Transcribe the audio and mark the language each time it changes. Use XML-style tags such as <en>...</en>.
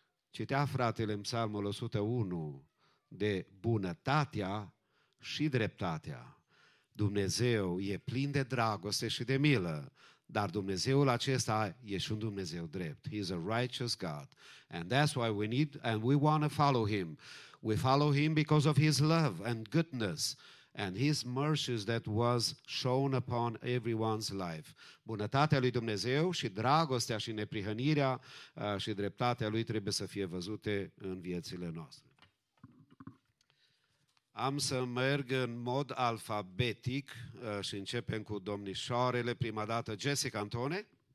<ro>Citea fratele în Psalmul 101 de bunătatea și dreptatea. Dumnezeu e plin de dragoste și de milă, dar Dumnezeul acesta e și un Dumnezeu drept.</ro> <en>He is a righteous God. And that's why we need and we want to follow him. We follow him because of his love and goodness and his mercies that was shown upon everyone's life.</en> <ro>Bunătatea lui Dumnezeu și dragostea și neprihănirea și dreptatea lui trebuie să fie văzute în viețile noastre. Am să merg în mod alfabetic și începem cu domnișoarele, prima dată Jessica Antone.</ro>